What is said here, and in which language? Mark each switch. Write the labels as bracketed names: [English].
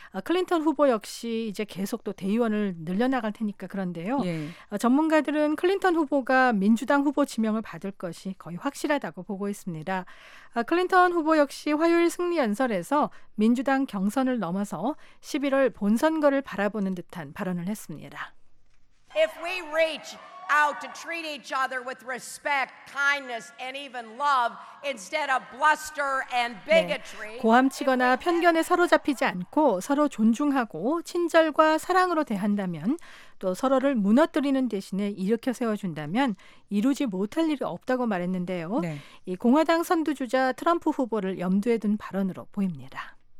[Korean] 클린턴 후보 역시 이제 계속 또 대의원을 늘려나갈 테니까 그런데요. 예. 전문가들은 클린턴 후보가 민주당 후보 지명을 받을 것이 거의 확실하다고 보고 있습니다. 클린턴 후보 역시 화요일 승리 연설에서 민주당 경선을 넘어서 11월 본선거를 바라보는 듯한 발언을 했습니다. [English] If we reach out to treat each other with respect, kindness, and even love instead of bluster and bigotry. [Korean] 네, 고함치거나 편견에 사로잡히지 않고 서로 존중하고 친절과 사랑으로 대한다면 또 서로를 무너뜨리는 대신에 일으켜 세워준다면 이루지 못할 일이 없다고 말했는데요. 네. 이 공화당 선두주자 트럼프 후보를 염두에 둔 발언으로 보입니다.